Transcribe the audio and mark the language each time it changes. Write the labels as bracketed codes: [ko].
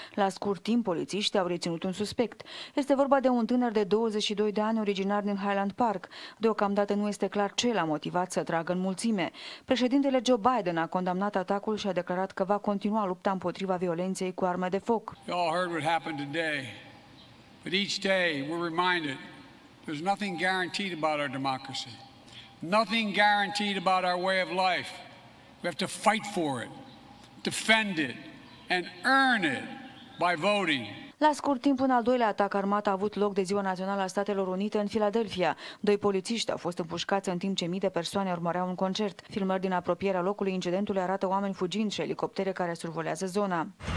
[ro] La scurt timp, polițiștii au reținut un suspect. Este vorba de un tânăr de 22 de ani, originar din Highland Park. Deocamdată nu este clar ce l-a motivat să tragă în mulțime. Președintele Joe Biden a condamnat atacul și a declarat că va continua lupta împotriva violenței cu arme de foc. [en] We all heard what happened today, but each day we're reminded there's nothing guaranteed about our democracy. Nothing guaranteed about our way of life. We have to fight for it, defend it, and earn it by voting. [ro] La scurt timp, un al doilea atac armat a avut loc de Ziua Națională a Statelor Unite în Philadelphia. 2 polițiști au fost împușcați în timp ce mii de persoane urmăreau un concert. Filmări din apropierea locului incidentului arată oameni fugind și elicoptere care survolează zona.